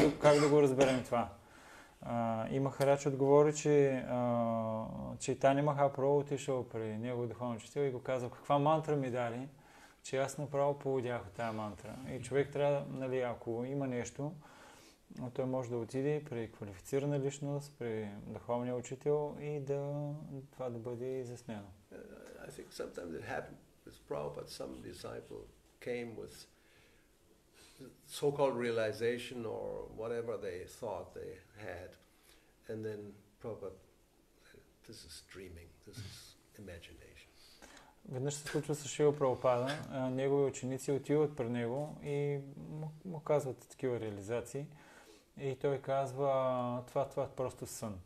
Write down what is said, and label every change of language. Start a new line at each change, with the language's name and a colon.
Bulgarian: Как да го разберем това? И Махарадж отговори, че Чайтани Махапрабху отишъл при него духовен учител и го казал, каква мантра ми дали, че аз направо поудях от тая мантра. И човек трябва, нали, ако има нещо, но той може да отиде при квалифицирана личност, при духовния учител и да това да бъде изяснено.
English: I think sometimes it happened with Prabhupada, some disciple came with so-called realization or whatever they thought they had, and then Prabhupada, this is dreaming, this is imagination.
Bulgarian: Веднъж се случва с Шрила Прабхупада, негови ученици отиват при него и му казват такива реализации. И той казва, това е просто сън.